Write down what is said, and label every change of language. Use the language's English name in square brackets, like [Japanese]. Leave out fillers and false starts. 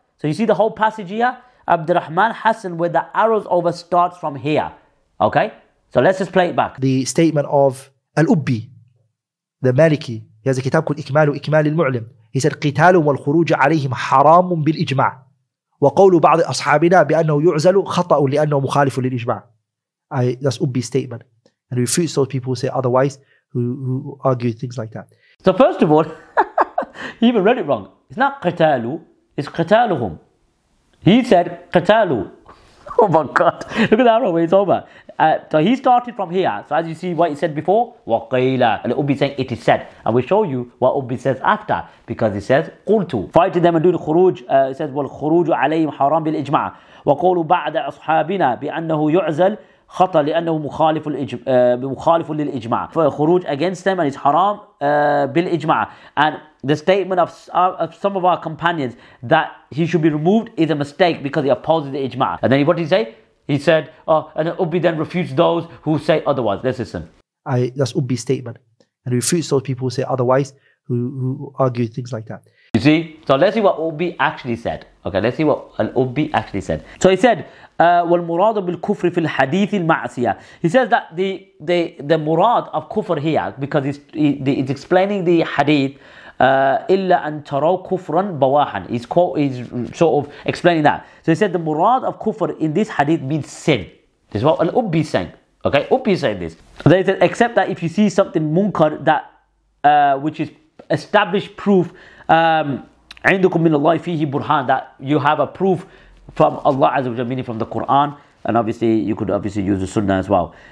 [English] So you see the whole passage here? Abdulrahman Hassan, where the arrow's over, starts from here. Okay? So let's just play it back. The statement of Al-Ubbi, the Maliki, he has a kitab called Ikmal Ikmal al-Mu'lim. He said, [Arabic] قتال والخروج عليهم حرام بالإجماع. وقول بعض أصحابنا بأنه يعزل خطأ لأنه مخالف للإجماع. [English] That's Ubi's statement. And he refutes those people who say otherwise, who argue things like that. So first of all, he even read it wrong. It's not قتالوا, it's قتالهم. He said قتالوا. Oh my God, look at the arrow, it's over. So he started from here. So as you see what he said before, وَقَيْلَ. And Ubi saying, it is said. And we'll show you what Ubi says after, because he says, قُلْتُ. Fighting them and doing khuruj, it says, [Arabic] وَالْخُرُوجُ عَلَيْهِمْ حَرَامْ بِالْإِجْمَعَ وَقَوْلُ بَعْدَ أَصْحَابِنَا بِأَنَّهُ يُعْزَلْ خَطَى لِأَنَّهُ مُخَالِفٌ لِلْإِجْمَعَ. [English] For khuruj against them and it's haram بِالْإِجْمَعَ. And the statement of some of our companions that he should be removed is a mistake because he opposes the ijma. And then what did he say? He said, and Ubi then refutes those who say otherwise. Let's listen. That's Ubi's statement. And he refutes those people who say otherwise, who argue things like that. You see? So let's see what Ubi actually said. Okay, let's see what Ubi actually said. So he said, [Arabic] وَالْمُرَادُ بِالْكُفْرِ فِي الْحَدِيثِ الْمَعْسِيَةِ. [English] He says that the murad of kufr here, because it's explaining the hadith, [Arabic] إِلَّا أَن تَرَوْ كُفْرًا بَوَاحًا. [English] His quote is sort of explaining that. So he said the murad of kufr in this hadith means sin. This is what Al-Ubbi is saying. Okay, Ubbi is saying this. So then he said, except that if you see something munkar that which is established proof, [Arabic] عِنْدُكُم مِّنَ اللَّهِ فِيهِ [English] burhan, that you have a proof from Allah Azza wa Jalla, meaning from the Quran, and obviously you could obviously use the Sunnah as well.